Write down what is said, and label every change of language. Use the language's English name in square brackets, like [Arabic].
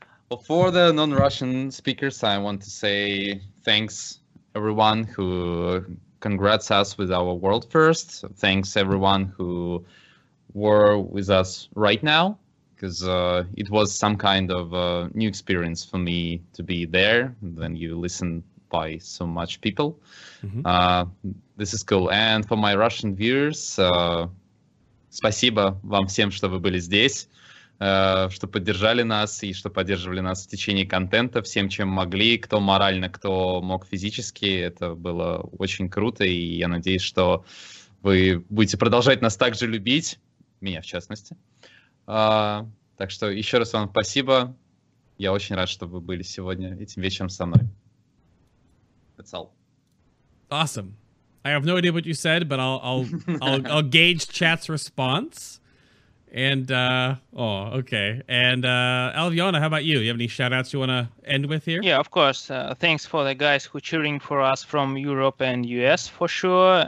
[English] Well, for the non-Russian speakers, I want to say thanks, everyone who congrats us with our world first. Thanks, everyone who were with us right now, because it was some kind of new experience for me to be there. Then you listen by so much people. Mm-hmm. This is cool. And for my Russian viewers, [Russian] спасибо вам всем, что вы были здесь, что поддержали нас и что поддерживали нас в течение контента всем, чем могли, кто морально, кто мог физически. Это было очень круто, и я надеюсь, что вы будете продолжать нас также любить, меня в частности. Так что еще раз вам спасибо. Я очень рад, что вы были сегодня этим вечером со мной. [English] That's all. Awesome. I have no idea what you said, but I'll gauge chat's response. And okay. And Alviona, how about you? You have any shout outs you want to end with here? Yeah, of course. Thanks for the guys who are cheering for us from Europe and US for sure.